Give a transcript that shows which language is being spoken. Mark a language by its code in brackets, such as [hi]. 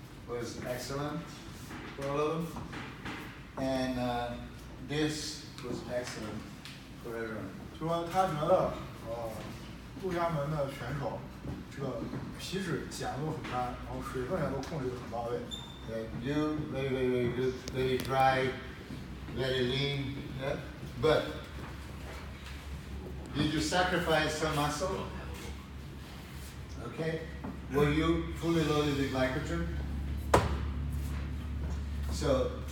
[en] Was excellent for all of them, and this was excellent for everyone. [zh] 就说他觉得，陆家门的选手，这个皮脂减的很干，然后水分也都控制的很到位。 [en] Yeah, you very very very good, very dry, very lean. Yeah, but did you sacrifice some muscle? Okay, were you fully loaded with glycogen? So,